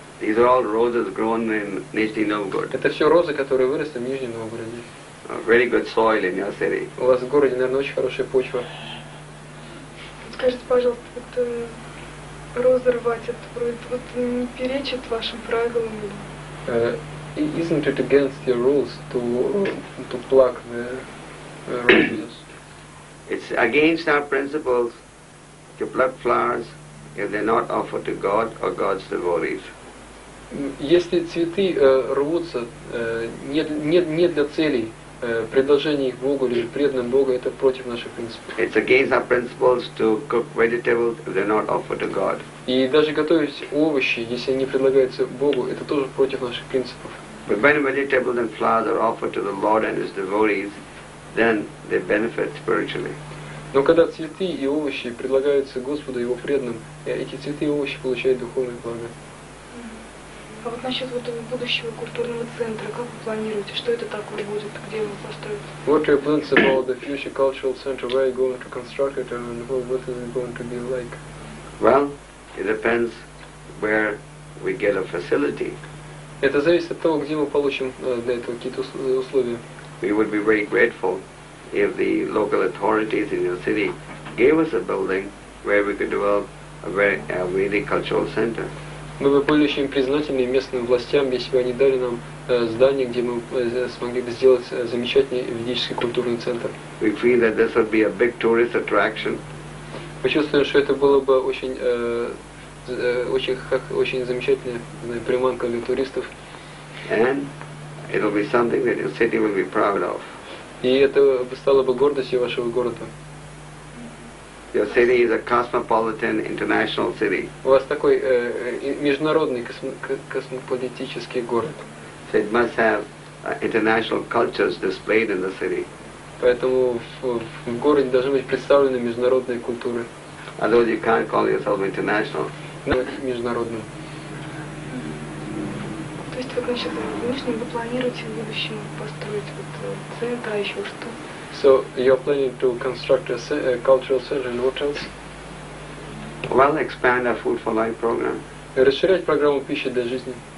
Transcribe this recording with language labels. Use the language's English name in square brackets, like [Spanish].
[English] These are all roses grown in Nizhny Novgorod. [Russian] Это все розы, которые выросли в Нижнем Новгороде. [English] Very good soil in your city. [Russian] У вас в городе, наверное, очень хорошая почва. Скажите, пожалуйста, вот розы рвать, это не перечит вашим правилам? [English] Isn't it against your rules to pluck the roses? It's against our principles to pluck flowers if they're not offered to God or God's devotees. [Russian] Если цветы рвутся не для целей, предложение их Богу или преданным Богу, это против наших принципов. [English] It's against our principles to cook vegetables if they're not offered to God. [Russian] И даже готовить овощи, если они предлагаются Богу, это тоже против наших принципов. [English] But when vegetables and flowers are offered to the Lord and His devotees, then they benefit spiritually. [Russian] Но когда цветы и овощи предлагаются Господу и Его преданным, эти цветы и овощи получают духовные блага. А вот насчет вот будущего культурного центра, как вы планируете, что это такое будет, где его построить? [English] What are your plans about the future cultural center? Where are you going to construct it and what is it going to be like? Well, it depends where we get a facility. [Russian] Это зависит от того, где мы получим для этого какие-то условия. [English] We would be very grateful if the local authorities in your city gave us a building where we could develop a really cultural center. [Russian] Мы бы были очень признательны местным властям, если бы они дали нам здание, где мы смогли бы сделать замечательный ведический культурный центр. [English] We feel that this would be a big tourist attraction. [Russian] Мы чувствуем, что это было бы очень замечательная приманка для туристов. [English] And it'll be something that your city will be proud of. [Russian] И это стало бы гордостью вашего города. [English] Your city is a cosmopolitan international city. [Russian] У вас такой международный космополитический город. [English] So it must have international cultures displayed in the city. [Russian] Поэтому в городе должны быть представлены международные культуры. [English] Although you can't call yourself international. [Russian] Но международным. То есть, как насчет внешнего, вы планируете в будущем построить вот центр, а еще что? [English] So you're planning to construct a cultural center and what else? Well, expand our Food for Life program. [Russian] Расширять программу пищи для жизни.